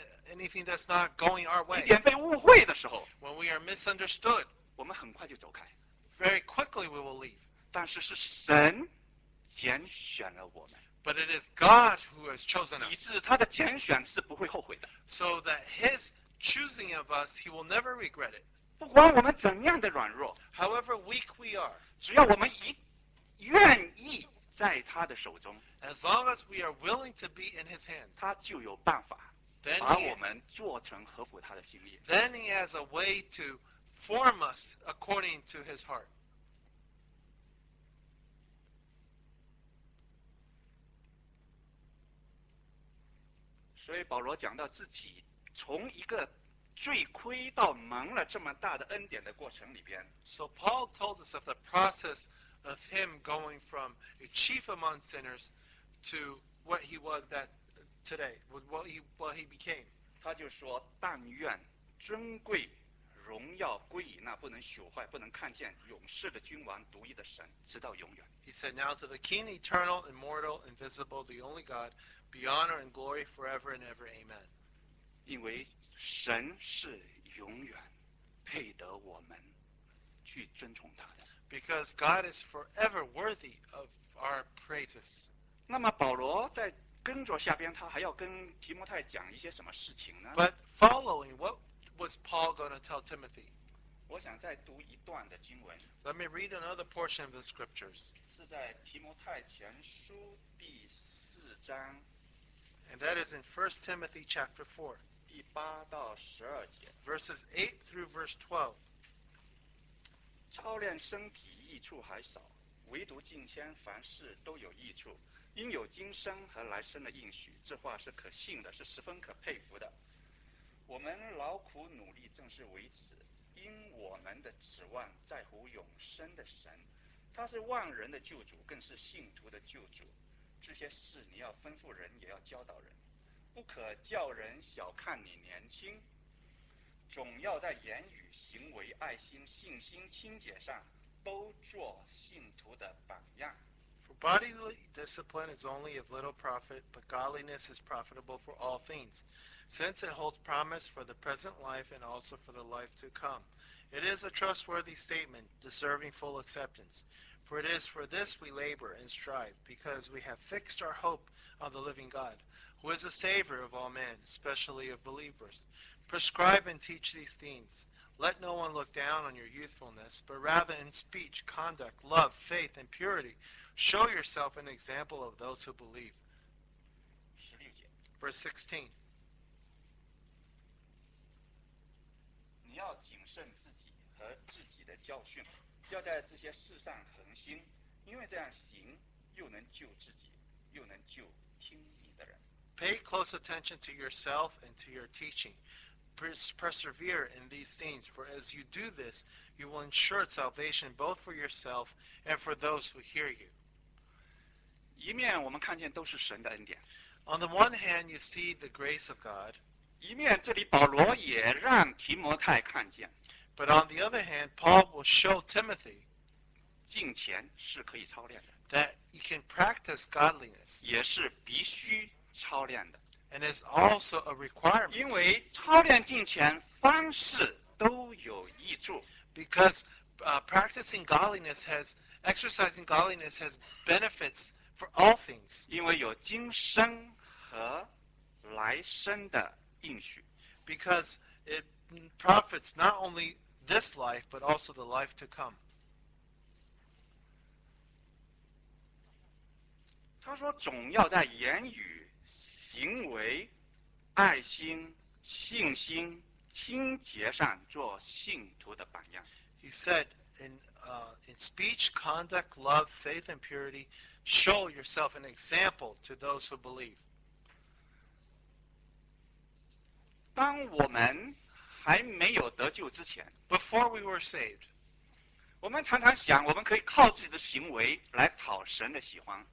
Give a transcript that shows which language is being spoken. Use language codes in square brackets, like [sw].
[en] anything that's not going our way, [zh] 一点被误会的时候， [en] when we are misunderstood, [zh] 我们很快就走开， [en] very quickly we will leave. [zh] 但是是神拣选了我们， [en] but it is God who has chosen us. [zh] 以致他的拣选是不会后悔的， [en] so that his choosing of us, he will never regret it. [zh] 不管我们怎样的软弱， [en] however weak we are, [zh] 只要我们愿意在他的手中， [en] as long as we are willing to be in his hands, [zh] 他就有办法把我们做成合乎他的心意。 [en] Then he has a way to form us according to his heart. [zh] 所以保罗讲到自己从一个罪亏到蒙了这么大的恩典的过程里边。 [en] So Paul tells us of the process of him going from a chief among sinners to what he was that today, what he became. [zh] 他就说，但愿尊贵荣耀归于那不能朽坏不能看见永世的君王独一的神直到永远。 [en] He said, now to the King, eternal, immortal, invisible, the only God, be honor and glory forever and ever, amen. [zh] 因为神是永远配得我们去尊崇他的。 [en] Because God is forever worthy of our praises. [zh] 那么保罗在跟着下边他还要跟提摩太讲一些什么事情呢？ [en] But following whatWas Paul going to tell Timothy? [zh] 我想再读一段的经文。 [en] Let me read another portion of the scriptures. [zh] 是在提摩太前书第四章。 [en] And that is in 1 Timothy chapter 4. [zh] 第八到十二节。 [en] Verses 8 through verse 12. [zh] 操练身体益处还少，唯独敬虔凡事都有益处，因有今生和来生的应许，这话是可信的，是十分可佩服的。我们劳苦努力正是为此，因我们的指望在乎永生的神，他是万人的救主，更是信徒的救主。这些事你要吩咐人，也要教导人，不可叫人小看你年轻，总要在言语、行为、爱心、信心、清洁上都做信徒的榜样。 [en] For bodily discipline is only of little profit, but godliness is profitable for all things. Since it holds promise for the present life and also for the life to come, it is a trustworthy statement, deserving full acceptance. For it is for this we labor and strive, because we have fixed our hope on the living God, who is a savior of all men, especially of believers. Prescribe and teach these things. Let no one look down on your youthfulness, but rather in speech, conduct, love, faith, and purity, show yourself an example of those who believe. Verse 16. [zh] 你要谨慎自己和自己的教训，要在这些事上恒心，因为这样行，又能救自己，又能救听你的人。 [en] Pay close attention to yourself and to your teaching. Persevere in these things, for as you do this, you will ensure salvation both for yourself and for those who hear you. [zh] 一面我们看见都是神的恩典。 [en] On the one hand, you see the grace of God. [zh] 一面这里保罗也让提摩太看见。 [en] But on the other hand, Paul will show Timothy [zh] 敬虔是可以操练的。 [en] That you can practice godliness [zh] 也是必须操练的。 [en] And it's also a requirement. [zh] 因为操练敬虔方式都有益处。 [en] Because practicing godliness has, exercising godliness has benefits for all things. [zh] 因为有今生和来生的 [en] Because it profits not only this life, but also the life to come. [zh] 他说总要在言语、行为、爱心、信心、清洁上做信徒的榜样。 [en] He said in speech, conduct, love, faith, and purity, show yourself an example to those who believe. [zh] 当我们还没有得救之前 [en] ，Before we were saved， [zh] 我们常常想，我们可以靠自己的行为来讨神的喜欢。